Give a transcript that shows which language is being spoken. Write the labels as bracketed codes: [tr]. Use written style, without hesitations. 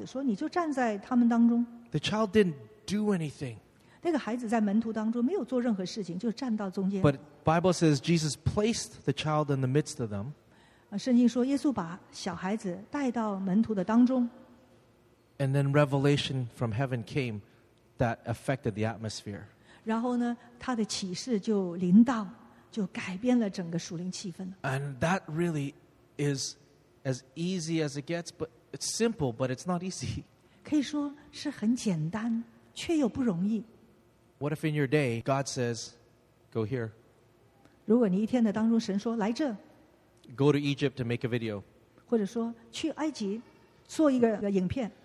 [zh] 那其实呢,耶稣就是很简单对孩子说,你就站在他们当中。 [en] The child didn't do anything. [zh] 那个孩子在门徒当中没有做任何事情,就站到中间。 [en] But Bible says Jesus placed the child in the midst of them. [zh] 圣经说耶稣把小孩子带到门徒的当中。 [en] And then revelation from heaven came that affected the atmosphere. [zh] 然后呢,他的启示就临到,就改变了整个属灵气氛。 [en] And that really is as easy as it gets, but it's simple, but it's not easy. [zh] 可以说是很简单,却又不容易。 [en] What if in your day, God says, go here? [zh] 如果你一天的当中神说,来这。 [en] Go to Egypt to make a video. [zh] 或者说,去埃及做一个影片。